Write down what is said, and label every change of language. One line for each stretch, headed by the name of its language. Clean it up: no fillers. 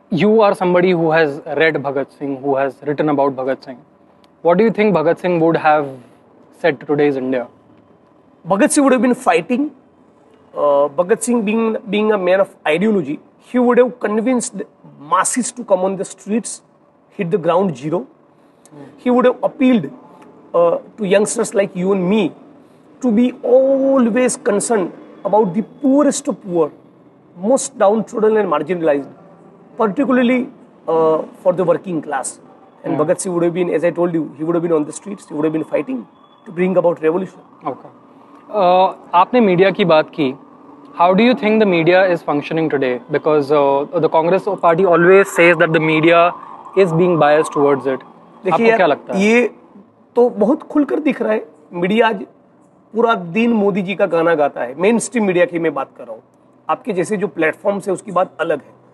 English: You are somebody who has read Bhagat Singh, who has written about Bhagat Singh, what do you think Bhagat Singh would have said today's India? Bhagat Singh would have been fighting, Bhagat Singh being a man of ideology, he would have convinced masses to come on the streets, hit the ground zero. He would have appealed to youngsters like you and me to be always concerned about the poorest of poor, most downtrodden and marginalized, particularly for the working class. And Bhagat Singh would have been, as I told you, he would have been on the streets, he would have been fighting to bring about revolution. Okay.
Hindi: आपने media की बात की,
English: how do you think the media is functioning today? Because the Congress party always says that the media is being biased towards it.
Hindi: देखिए यार, ये तो बहुत खुलकर दिख रहा है, मीडिया आज पूरा दिन मोदी जी का गाना गाता है। मेन स्ट्रीम मीडिया की मैं बात कर रहा हूँ, आपके जैसे जो प्लेटफॉर्म है उसकी बात अलग है।